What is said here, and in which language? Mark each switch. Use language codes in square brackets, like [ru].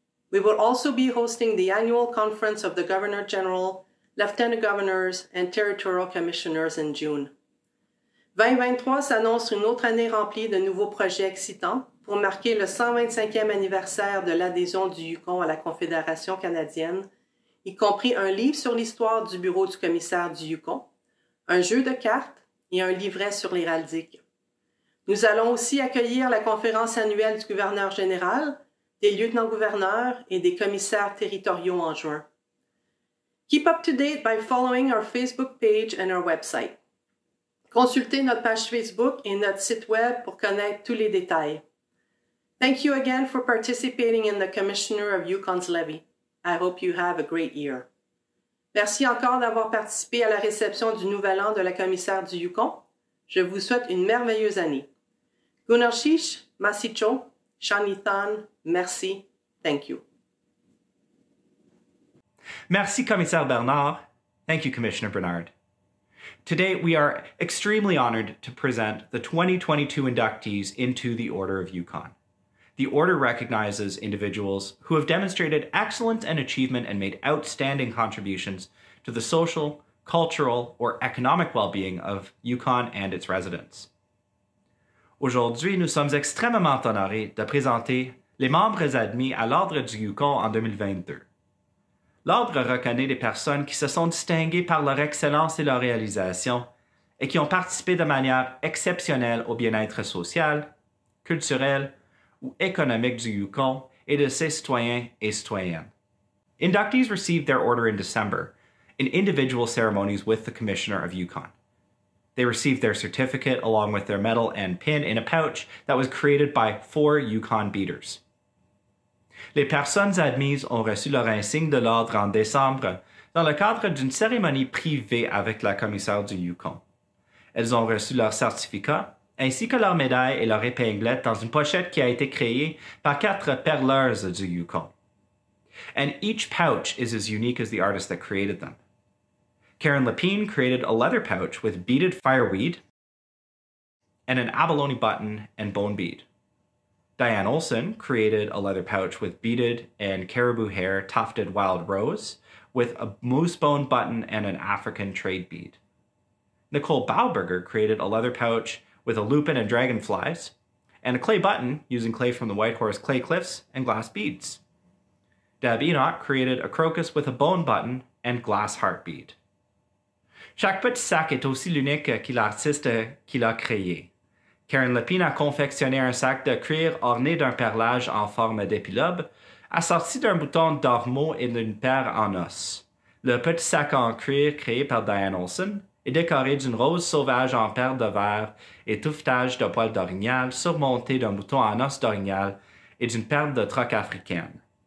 [en] We will also be hosting the annual conference of the Governor General, Lieutenant Governors, and Territorial Commissioners in June. [fr] 2023 s'annonce une autre année remplie de nouveaux projets excitants pour marquer le 125e anniversaire de l'adhésion du Yukon à la Confédération canadienne, y compris un livre sur l'histoire du bureau du commissaire du Yukon, un jeu de cartes et un livret sur l'héraldique. Nous allons aussi accueillir la conférence annuelle du gouverneur général, des lieutenants-gouverneurs et des commissaires territoriaux en juin. [en] Keep up to date by following our Facebook page and our website. [fr] Consultez notre page Facebook et notre site web pour connaître tous les détails. [en] Thank you again for participating in the Commissioner of Yukon's Levee. I hope you have a great year. [fr] Merci encore d'avoir participé à la réception du nouvel an de la commissaire du Yukon. Je vous souhaite une merveilleuse année. Gunarshish, Masicho, Shanithan, merci. [en] Thank you. [fr] Merci, Commissaire Bernard. [en] Thank you, Commissioner Bernard. Today, we are extremely honored to present the 2022 inductees into the Order of Yukon. The Order recognizes individuals who have demonstrated excellence and achievement and made outstanding contributions to the social, cultural, or economic well-being of Yukon and its residents. [fr] Aujourd'hui, nous sommes extrêmement honorés de présenter les membres admis à l'Ordre du Yukon en 2022. L'Ordre reconnaît des personnes qui se sont distinguées par leur excellence et leur réalisation et qui ont participé de manière exceptionnelle au bien-être social, culturel ou économique du Yukon et de ses citoyens et citoyennes. [en] Inductees received their order in December in individual ceremonies with the Commissioner of Yukon. They received their certificate along with their medal and pin in a pouch that was created by 4 Yukon beaters. [fr] Les personnes admises ont reçu leur insigne de l'ordre en décembre dans le cadre d'une cérémonie privée avec la commissaire du Yukon. Elles ont reçu leur certificat ainsi que leur médaille et leur épinglette dans une pochette qui a été créée par 4 perleurs du Yukon. [en] And each pouch is as unique as the artist that created them. Karen Lapine created a leather pouch with beaded fireweed and an abalone button and bone bead. Diane Olson created a leather pouch with beaded and caribou hair tufted wild rose with a moose bone button and an African trade bead. Nicole Bauberger created a leather pouch with a lupin and dragonflies and a clay button using clay from the White Horse clay cliffs and glass beads. Deb Enoch created a crocus with a bone button and glass heart bead. [fr] Chaque petit sac est aussi l'unique que l'artiste qui l'a créé. Karen Lapine a confectionné un sac de cuir orné d'un perlage en forme d'épilobe, assorti d'un bouton d'ormeau et d'une paire en os. Le petit sac en cuir créé par Diane Olson est décoré d'une rose sauvage en perles de verre et touffetage de poils d'orignal surmonté d'un bouton en os d'orignal et d'une perle de troc africaine.